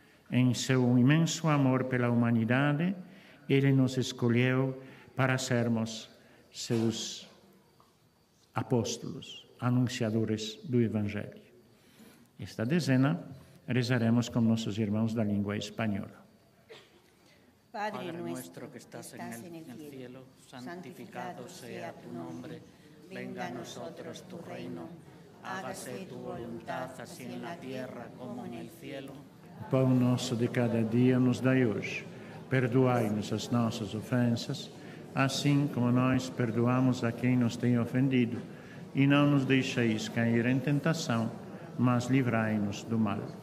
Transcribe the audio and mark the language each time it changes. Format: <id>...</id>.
<pt>Em seu imenso amor pela humanidade, Ele nos escolheu para sermos seus apóstolos, anunciadores do Evangelho. Esta dezena rezaremos com nossos irmãos da língua espanhola.</pt> <es>Padre nuestro que estás en el cielo, santificado sea tu nombre. Venga a nosotros tu reino. Hágase tu voluntad así en la tierra como en el cielo.</es> <pt>O pão nosso de cada dia nos dai hoje. Perdoai-nos as nossas ofensas, assim como nós perdoamos a quem nos tem ofendido. E não nos deixeis cair em tentação, mas livrai-nos do mal.</pt>